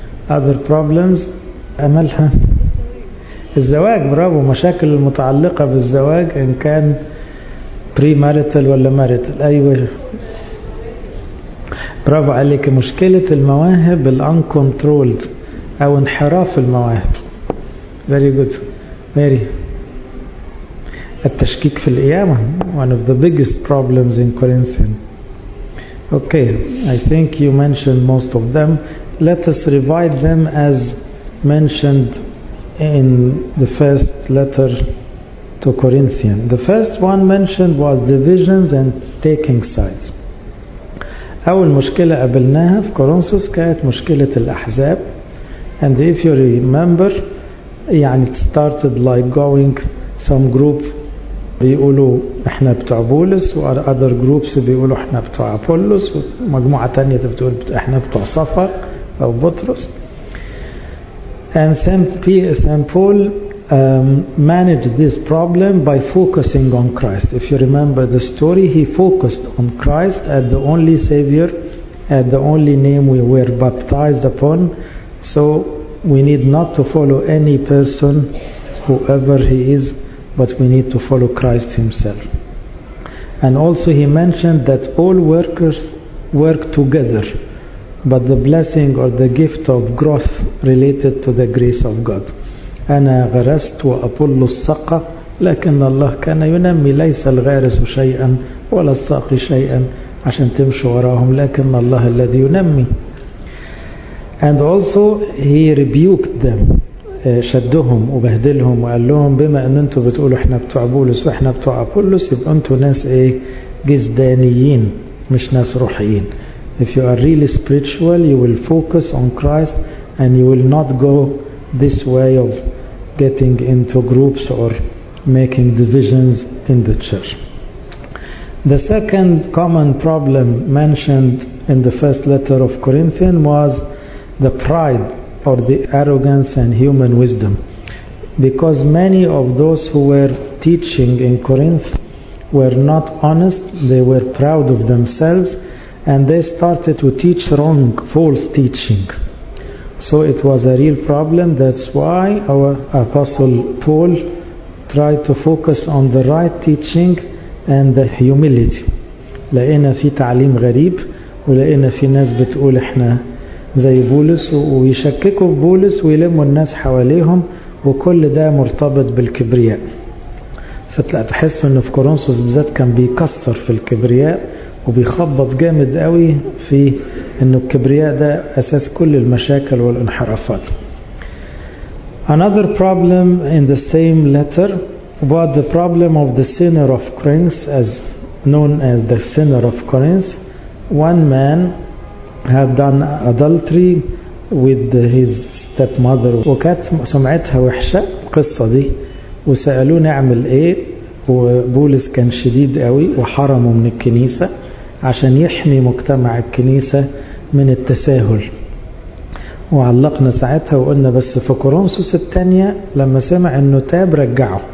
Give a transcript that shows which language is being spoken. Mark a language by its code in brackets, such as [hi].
[en] Other problems، [ar] أملها الزواج، برافو، مشاكل المتعلقة بالزواج إن كان pre-marital ولا marital. أيوة برافو عليك. مشكلة المواهب الـ uncontrolled أو انحراف المواهب، [en] very good Mary. [ar] التشكيك في القيامة، [en] one of the biggest problems in Corinthians. Okay, I think you mentioned most of them. Let us revise them as mentioned in the first letter to Corinthians. The first one mentioned was divisions and taking sides. [ar] أول مشكلة قابلناها في كورنثوس كانت مشكلة الأحزاب. [en] And if you remember, [ar] يعني [en] it started like going some group [ar] بيقولوا احنا بتوع بولس، و [en] other groups [ar] بيقولوا احنا بتوع أبولوس، ومجموعة تانية بتقول احنا بتوع صفر أو بطرس. [en] And Saint Paul managed this problem by focusing on Christ. If you remember the story, he focused on Christ as the only Savior, as the only name we were baptized upon. So we need not to follow any person, whoever he is, but we need to follow Christ himself. And also he mentioned that all workers work together, but the blessing or the gift of growth related to the grace of God. [ar] أنا غرست وأبول السقى، لكن الله كان ينمي، ليس الغارس شيئا ولا الساقي شيئا عشان تمشوا وراهم، لكن الله الذي ينمي. [en] And also he rebuked them، [ar] شدهم وبهدلهم وقال لهم بما أن أنتم بتقولوا إحنا بتوع بولس وإحنا بتوع أبولوس، يبقى أنتم ناس إيه؟ جزدانيين، مش ناس روحيين. [en] If you are really spiritual, you will focus on Christ and you will not go this way of getting into groups or making divisions in the church. The second common problem mentioned in the first letter of Corinthians was the pride or the arrogance and human wisdom. Because many of those who were teaching in Corinth were not honest, they were proud of themselves, and they started to teach wrong, false teaching. So it was a real problem. That's why our Apostle Paul try to focus on the right teaching and the humility. [ar] لقينا في تعليم غريب ولقينا في ناس بتقول احنا زي بولس ويشككوا في بولس ويلموا الناس حواليهم وكل ده مرتبط بالكبرياء. فتحس ان في كورنثوس بالذات كان بيكسر في الكبرياء وبيخبط جامد قوي في ان الكبرياء ده اساس كل المشاكل والانحرافات. [en] Another problem in the same letter about the problem of the sinner of Corinth, as known as the sinner of Corinth. One man had done adultery with his stepmother. [ar] وكانت سمعتها وحشة القصة دي وسألوه نعمل ايه، وبولس كان شديد قوي وحرمه من الكنيسة عشان يحمي مجتمع الكنيسة من التساهل. وعلقنا ساعتها وقلنا بس في كورنثوس الثانية لما سمع انه تاب رجعه.